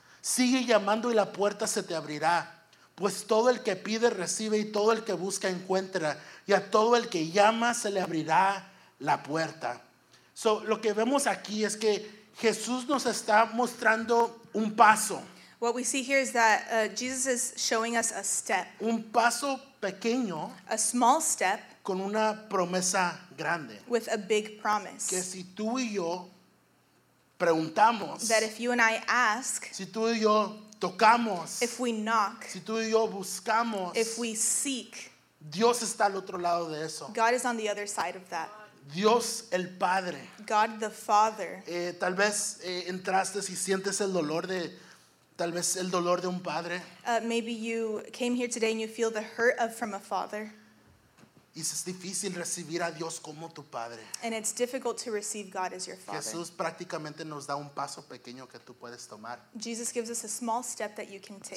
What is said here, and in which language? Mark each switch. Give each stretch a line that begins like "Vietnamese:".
Spanish: Sigue llamando y la puerta se te abrirá. Pues todo el que pide recibe y todo el que busca encuentra. Y a todo el que llama se le abrirá la puerta. So, lo que vemos aquí es que Jesús nos está mostrando un paso.
English: What we see here is that Jesus is showing us a step.
Spanish: Un paso pequeño.
English: A small step.
Spanish: Con una promesa grande.
English: With a big promise.
Spanish: Que si tú y yo preguntamos.
English: That if you and I ask.
Spanish: Si tú y yo tocamos.
English: If we knock.
Spanish: Si tú y yo buscamos.
English: If we seek.
Spanish: Dios está al otro lado de eso.
English: God is on the other side of that.
Spanish: Dios el Padre.
English: God the Father.
Spanish: Tal vez entraste y sientes el dolor de... Tal vez el dolor de un padre.
English: Maybe you came here today and you feel the hurt of from a father.
Spanish: Y es difícil recibir a Dios como tu padre.
English: And it's difficult to receive God as your father.
Spanish: Jesús prácticamente nos da un paso pequeño que tú puedes tomar.
English: Jesus gives us a small step that you can take.